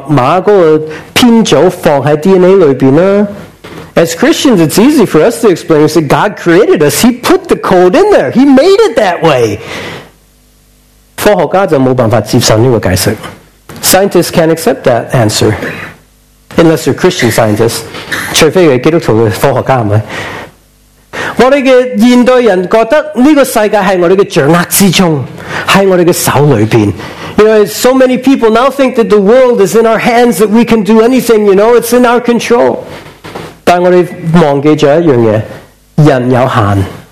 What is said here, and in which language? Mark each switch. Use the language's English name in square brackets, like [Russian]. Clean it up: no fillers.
[Chinese] 我们基督徒就很简单,神将那个密码,那个编组放在DNA里面。 [English] As Christians, it's easy for us to explain. We say, God created us. He put the code in there. He made it that way. [Chinese] 科学家就没办法接受这个解释。 [English] Scientists can't accept that answer. Unless you're Christian scientists. [Chinese] 除非是基督徒的科学家。我们现代人觉得这个世界是我们的掌握之中, 在我们的手里面。 [English] You know, so many people now think that the world is in our hands, that we can do anything, you know, it's in our control. [Chinese] 但我们忘记了一件事,人有限,